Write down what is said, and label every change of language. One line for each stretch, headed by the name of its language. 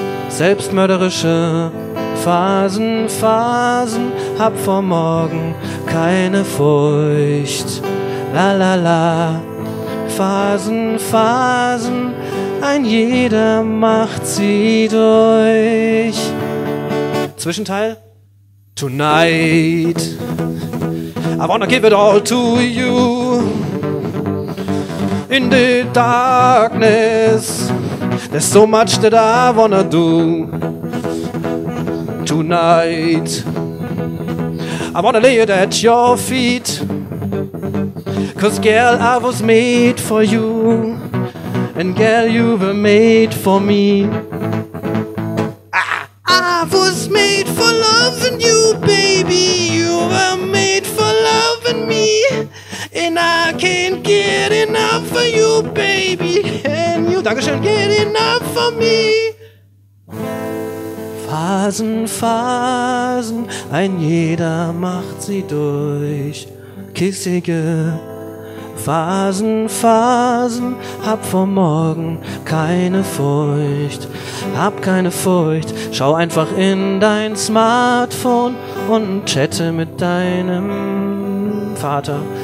German: Selbstmörderische Phasen, Phasen, hab vor morgen keine Furcht. La la la. Phasen, Phasen, ein jeder macht sie durch. Zwischenteil.
English: Tonight I wanna give it all to you. In the darkness, there's so much that I wanna do. Tonight, I wanna lay it at your feet. 'Cause girl, I was made for you. And girl, you were made for me. Ah. I was made for loving you, baby. You were made for loving me. And I can't get enough for you, baby. And you, dankeschön, get enough for me.
German: Phasen, Phasen, ein jeder macht sie durch. Kissige Phasen, Phasen, hab vor morgen keine Furcht. Hab keine Furcht, schau einfach in dein Smartphone und chatte mit deinem Vater.